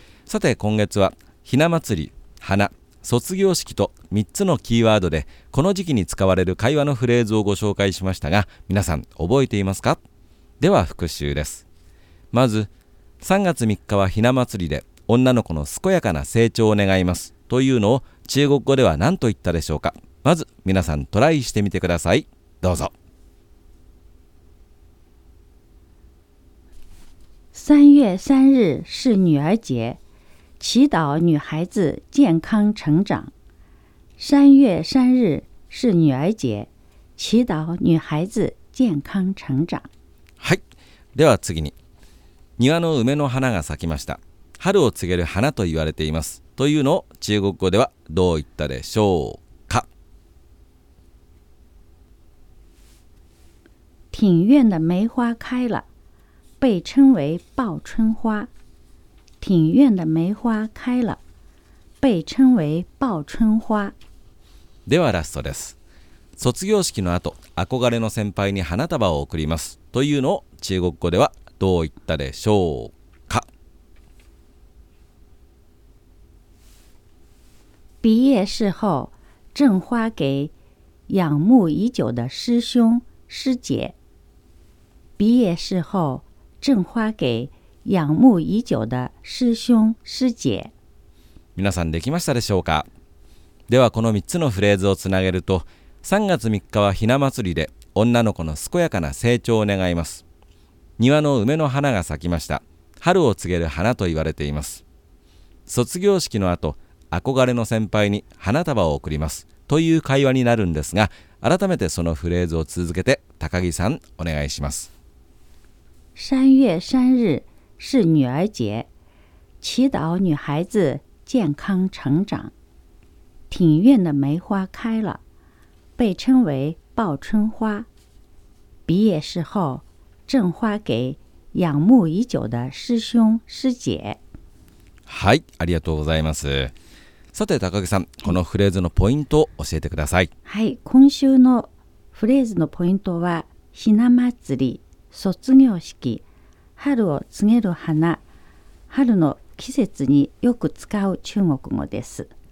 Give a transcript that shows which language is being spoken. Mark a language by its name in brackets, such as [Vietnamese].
[Japanese] さて、今月はひな祭り、花、卒業式と3つのキーワードでこの時期に使われる会話のフレーズをご紹介しましたが、皆さん覚えていますか？では復習です。まず、3月3日はひな祭りで女の子の健やかな成長を願いますというのを中国語では何と言ったでしょうか？まず皆さんトライしてみてください。どうぞ。 [Chinese] 3月3日是女儿节，祈祷女孩子健康成长。 3月3日是女儿节，祈祷女孩子健康成长。 [Japanese] はい、では次に、庭の梅の花が咲きました。春を告げる花と言われていますというのを中国語ではどう言ったでしょうか？ [Chinese] 庭院的梅花開了，被称为报春花。庭院的梅花开了，被称为报春花。 [Japanese] ではラストです。卒業式の後、憧れの先輩に花束を贈りますというのを中国語ではどう言ったでしょうか？ [Chinese] 毕业式后赠花给仰慕已久的师兄师姐。毕业式后赠花给仰慕已久的师兄师姐。 [Japanese] 皆さんできましたでしょうか？ではこの3つのフレーズをつなげると、3月3日はひな祭りで女の子の健やかな成長を願います。庭の梅の花が咲きました。春を告げる花と言われています。卒業式の後、憧れの先輩に花束を贈りますという会話になるんですが、改めてそのフレーズを続けて高木さんお願いします。 [Chinese] 三月三日是女儿节，祈祷女孩子健康成长。庭院的梅花开了，被称为报春花。毕业式后赠花给仰慕已久的师兄师姐。 [Japanese] はい、ありがとうございます。さて高木さん、このフレーズのポイントを教えてください。はい、今週のフレーズのポイントはひな祭り、卒業式、春を告げる花、春の季節によく使う中国語です。